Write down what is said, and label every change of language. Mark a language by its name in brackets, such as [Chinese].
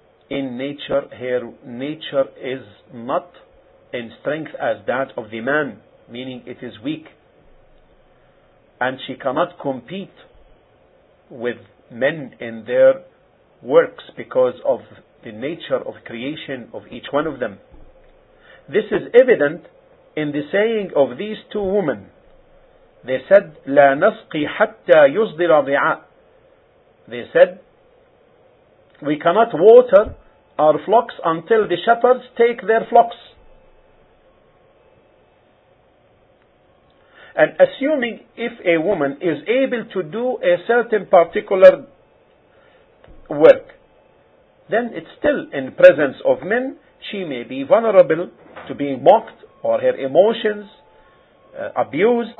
[English] In nature, her nature is not in strength as that of the man, meaning it is weak, and she cannot compete with men in their works because of the nature of creation of each one of them. This is evident in the saying of these two women. They said, [Arabic] لا نسقي حتى يصدر الرعاء. [English] They said, we cannot water our flocks until the shepherds take their flocks. And assuming if a woman is able to do a certain particular work, then it's still in presence of men, she may be vulnerable to being mocked or her emotions abused.